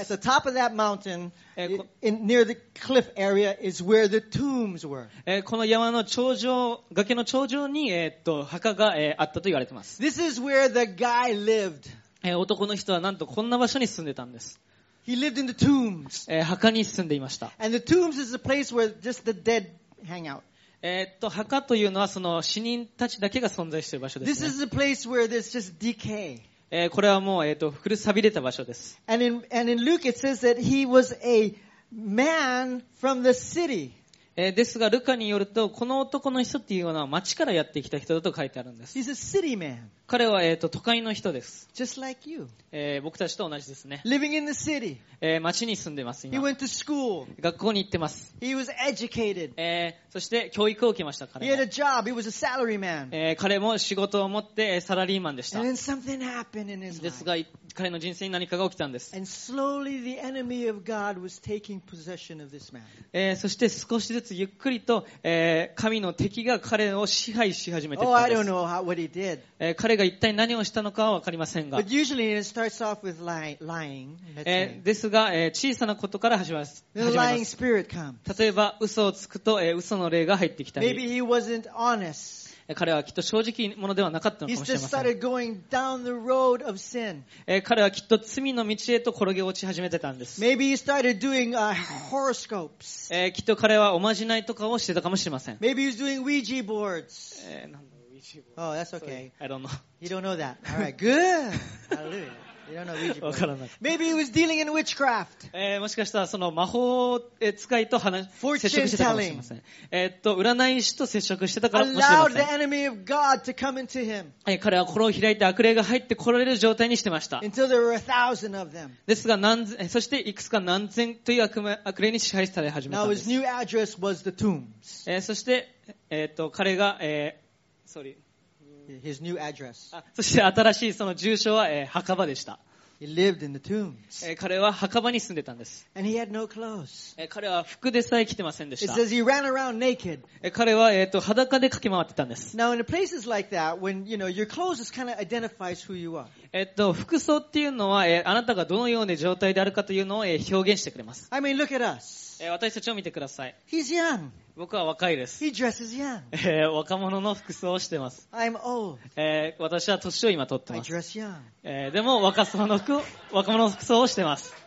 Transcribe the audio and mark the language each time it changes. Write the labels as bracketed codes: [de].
[en] At the top of that mountain, near the cliff area, is where the tombs were. [ja] この山の頂上、崖の頂上に、墓が、あったと言われてます。 [en] This is where the guy lived. [ja] 男の人はなんとこんな場所に住んでたんです。 [en] He lived in the tombs. [ja] 墓に住んでいました。 [en] And the tombs is a place where just the dead hang out. [ja] 墓というのはその死人たちだけが存在している場所ですね。 [en] This is a place where there's just decay. [ja] これはもう古さびれた場所です。 [en] And in Luke it says that he was a man from the city. [ja] ですがルカによるとこの男の人っていうのは町からやってきた人だと書いてあるんです。 [en] He's a city man. [ja] 彼は、都会の人です。 [en] Just like you. [ja] 僕たちと同じですね。 [en] Living in the city. [ja] 町に住んでます、今。 [en] He went to school. [ja] 学校に行ってます。 [en] He was educated. [ja] そして、教育を受けました、彼は。 [en] He had a job. He was a salary man. [ja] 彼も仕事を持って、サラリーマンでした。 [en] And then something happened in his life. [ja] ですが、彼の人生に何かが起きたんです。 [en] And slowly the enemy of God was taking possession of this man. [ja] そして、少しずつゆっくりと、神の敵が彼を支配し始めていったんです。 [en] Oh, I don't know what he did. [ja] 彼が一体何をしたのかは分かりませんが。 [en] But usually it starts off with lying. [ja] ですが、小さなことから始まります。 [en] The lying spirit comes. [ja] 例えば、嘘をつくと、嘘の霊が入ってきたり。 [en] Maybe he wasn't honest. [ja] 彼はきっと正直者ではなかったのかもしれません。 [en] He just started going down the road of sin. [ja] 彼はきっと罪の道へと転げ落ち始めてたんです。 [en] Maybe he started doing horoscopes. [ja] きっと彼はおまじないとかをしてたかもしれません。 [en] Maybe he was doing Ouija boards. Oh, that's okay. I don't know. You don't know that. All right, good. Hallelujah. [ja] わからない。 [en] Maybe he was dealing in witchcraft. [ja] もしかしたらその魔法使いと話接触してたかもしれません。占い師と接触してたかもしれません。彼はこれを開いて悪霊が入ってこられる状態にしてました。 [en] Until there were a thousand of them. [ja] ですが何そしていくつか何千という悪霊に支配され始めたんです。 [en] Now his new address was the tombs. [ja] そして彼が、 [en] His new address. [ja] そして新しいその住所は、墓場でした。 [en] He lived in the tombs. [ja] 彼は墓場に住んでたんです。 [en] And he had no clothes. [ja] 彼は服でさえ着てませんでした。 [en] It says he ran around naked. [ja] 彼は、裸で駆け回ってたんです。 [en] Now in places like that, when you know, your clothes kind of identifies who you are. [ja] 服装っていうのは、あなたがどのような状態であるかというのを、表現してくれます。 [en] I mean, look at us. [ja] 私たちを見てください。 [en] He's young. [ja] 僕は若いです。 [en] He dresses young. [ja] 若者の服装をしてます。 [en] I'm old. [ja] 私は年を今取ってます。 [en] I dress young. [ja] でも若者の服を、若者の服装をしてます。